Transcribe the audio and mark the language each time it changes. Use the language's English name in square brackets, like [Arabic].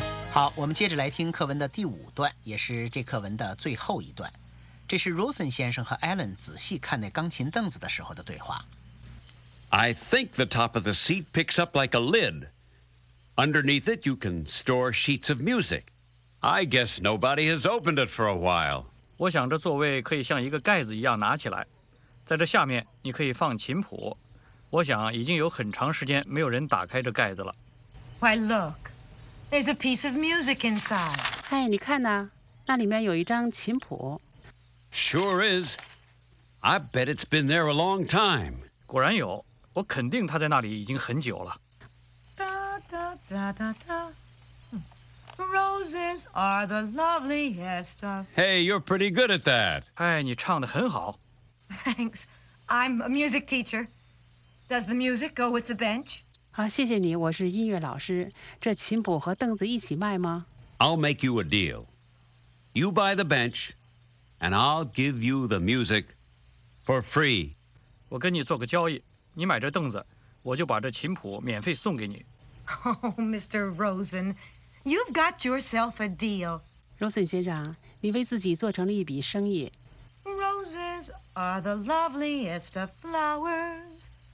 [Chinese] 好，我们接着来听课文的第五段，也是这课文的最后一段。这是 Rosen 先生和 Alan 仔细看那钢琴凳子的时候的对话。 [English] I think the top of the seat picks up like a lid. Underneath it, you can store sheets of music. I guess nobody has opened it for a while. [Chinese] 我想这座位可以像一个盖子一样拿起来，在这下面你可以放琴谱。我想已经有很长时间没有人打开这盖子了。 [English] Why look? There's a piece of music inside. [Chinese] 哎，你看呐，那里面有一张琴谱。 [English] Sure is. I bet it's been there a long time. [Chinese] 果然有，我肯定他在那里已经很久了。 [English] Roses are the loveliest of... Hey, you're pretty good at that. [Chinese] 哎，你唱得很好。 [English] Thanks. I'm a music teacher. Does the music go with the bench? [Chinese] 好，谢谢你，我是音乐老师。这琴谱和凳子一起卖吗？ [English] I'll make you a deal. You buy the bench, and I'll give you the music for free. [Chinese] 我跟你做个交易，你买这凳子，我就把这琴谱免费送给你。 [English] Oh, Mr. Rosen, you've got yourself a deal. [Chinese] Rosen 先生，你为自己做成了一笔生意。 [English] Roses are the loveliest of flowers.